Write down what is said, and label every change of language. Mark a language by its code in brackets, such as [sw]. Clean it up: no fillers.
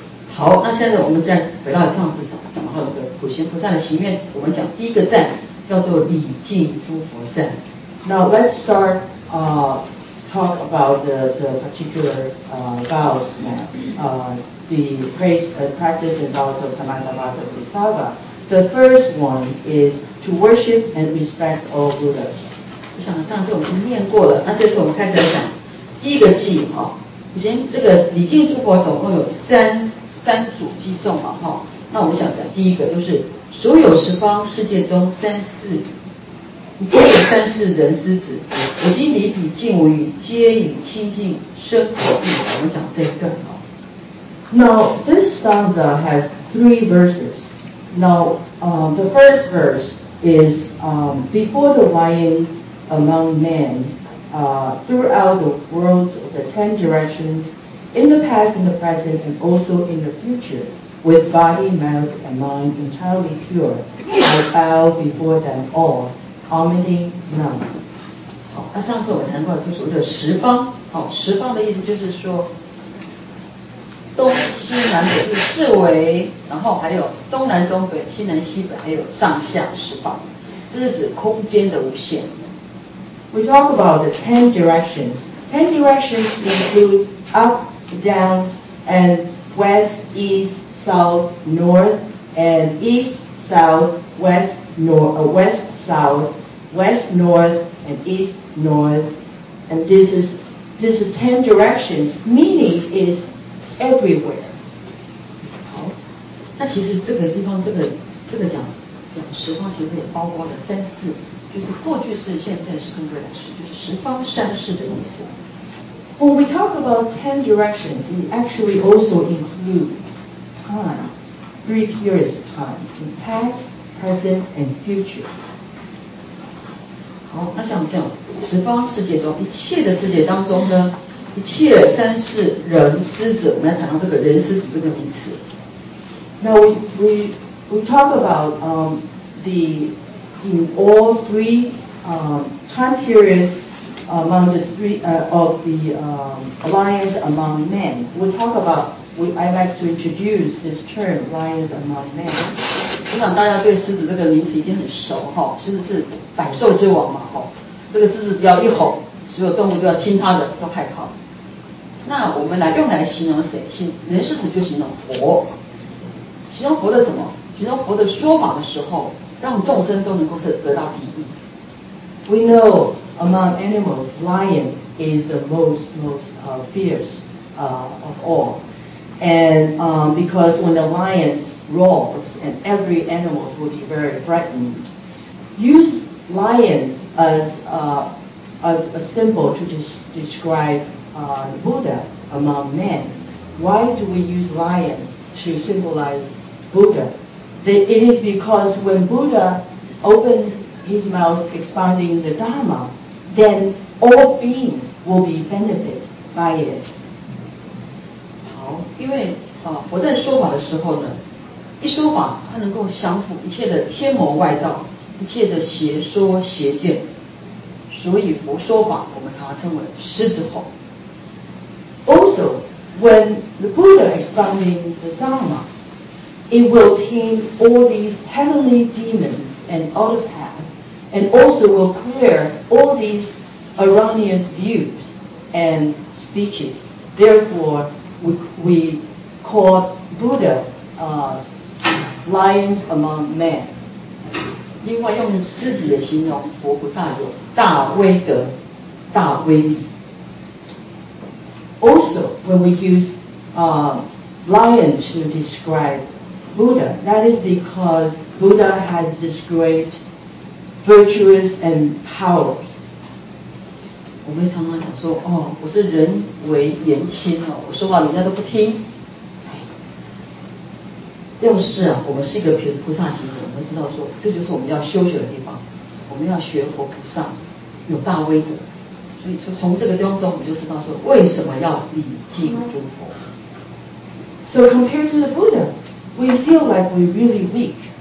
[zh] 好，那现在我们再回到上次讲到的普贤菩萨的行愿，我们讲第一个赞叫做礼敬诸佛赞。 [en] Now let's start talk about the particular vows now. The praise and practice and vows of Samantha Bhadra Bodhisattva. The first one is to worship and respect all Buddhas. [zh] 我想上次我们念过了，那这次我们开始来讲第一个偈哈。行，这个礼敬诸佛总共有三组偈颂嘛，哈。那我们想讲第一个，就是所有十方世界中三世，一切的三世人师子，我今礼彼敬无语，皆以清净身口意。我们讲这一段哦。 [en] Now this stanza has three verses. Now, the first verse is before the lions among men. Throughout the world, the 10 directions, in the past, in the present, and also in the future, with body, mouth, and mind entirely pure, I bow before them all, commanding none. [zh] 好，那上次我谈过就是说十方，好，十方的意思就是说东西南北四围，然后还有东南东北西南西北，还有上下十方，这是指空间的无限。 [en] We talk about the 10 directions. 10 directions include up, down, and west, east, south, north, and east, south, west, north, west, south, west, north, and east,north, and this is 10 directions, meaning is everywhere. [zh] 好，那其实这个地方这个讲十方，其实也包括了三世，就是过去世、现在世跟未来世，就是十方三世的意思。 [en] When we talk about 10 directions, it actually also includes time, three periods of time, in past, present, and future. [zh] 好，那像我们讲十方世界中一切的世界当中呢，一切三世人狮子，我们来谈到这个人狮子这个名词。 [en] Now we talk about the in all three time periods among the three of the lions among men. I'd like to introduce this term lions among men. [zh] 我想大家对狮子这个名字一定很熟哈，狮子是百兽之王嘛哈，这个狮子只要一吼，所有动物都要听它的，都害怕。那我们来用来形容谁？人狮子就形容佛，形容佛的什么？形容佛的说法的时候，让众生都能够是得到利益。 [en] We know among animals, lion is the most fierce of all, and because when the lion roars and every animal will be very frightened. Use lion as a symbol to describe Buddha among men. Why do we use lion to symbolize Buddha? It is because when Buddha opened his mouth expounding the Dharma, then all beings will be benefited by it. [zh] 好，因为我在说法的时候呢，一说法它能够降服一切的天魔外道，一切的邪说邪见，所以佛说法我们常称为狮子吼。 [en] Also, when the Buddha is founding the Dharma, it will tame all these heavenly demons and other paths, and also will clear all these erroneous views and speeches. Therefore, we call Buddha Lions among men. [zh] 另外用狮子的形容佛菩萨有大威德、大威力。 [en] Also, when we use lion to describe Buddha, that is because Buddha has this great virtuous and powers. [zh] 我们常常讲说，哦，我是人为言轻哦，我说话人家都不听。要是啊，我们是一个菩萨行者，我们知道说，这就是我们要修学的地方。我们要学佛菩萨，有大威德。所以从这个地方中，我们就知道说，为什么要礼敬诸佛。 [en] So compared to the Buddha, we feel like we're really weak.